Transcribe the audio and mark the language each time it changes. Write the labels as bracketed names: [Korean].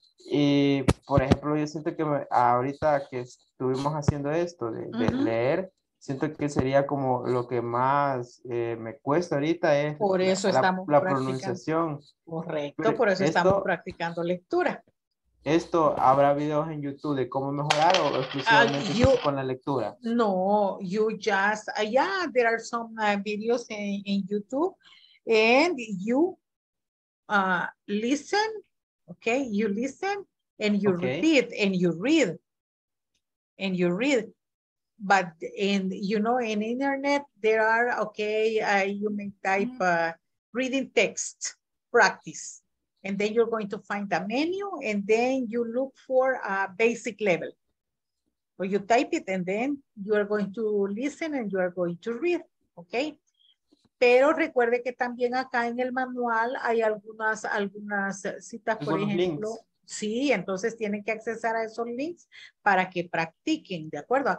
[Spanish] Y, por ejemplo, yo siento que ahorita que estuvimos haciendo esto de uh-huh. leer, siento que sería como lo que más me cuesta ahorita es por eso la pronunciación. Correcto, pero por eso estamos practicando lectura. ¿Esto habrá videos en YouTube de cómo mejorar o exclusivamente con la lectura? [English] No, you just, yeah, there are some videos in YouTube and you listen, okay? You listen and you repeat and you read. But in, you know, in internet, there are, okay, you may type reading text, practice. And then you're going to find a menu and then you look for a basic level. So you type it and then you are going to listen and you are going to read, okay? [Spanish] Pero recuerde que también acá en el manual hay algunas citas, por ejemplo. Sí, entonces tienen que accesar a esos links para que practiquen, ¿de acuerdo?